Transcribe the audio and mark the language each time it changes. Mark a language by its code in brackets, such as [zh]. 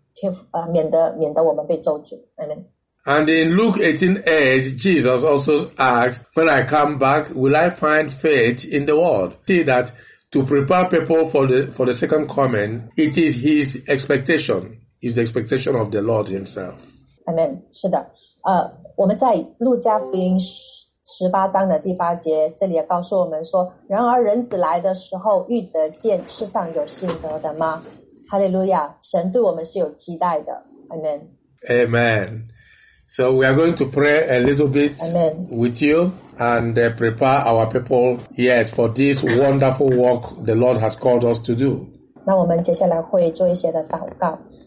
[zh] 所以我们知道我们当做的就是要去为主去预备去赢得灵魂来去预备耶稣基督的再来免得我们被咒诅。 [en] Amen. And in Luke 18:8, Jesus also asked, when I come back, will I find faith in the world? See that to prepare people for the second coming, it is his expectation. It's the expectation of the Lord himself. Amen. [zh] 是的。我们在路加福音18:8，这里也告诉我们说，然而人子来的时候，遇得见世上有信德的吗？哈利路亚，神对我们是有期待的。 [en] Amen. Amen. So we are going to pray a little bit with you and prepare our people, yes, for this wonderful work the Lord has called us to do. [zh] 那我们接下来会做一些的祷告。